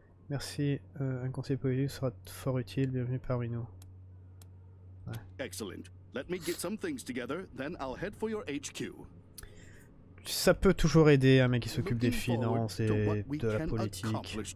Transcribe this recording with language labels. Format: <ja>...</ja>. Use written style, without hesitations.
<fr>Merci, un conseiller politique sera fort utile, bienvenue parmi nous. Ouais. Excellent.</fr> <en>Let me get some things together, then I'll head for your HQ.</en> <fr>Ça peut toujours aider un mec qui s'occupe des finances et de la politique.</fr>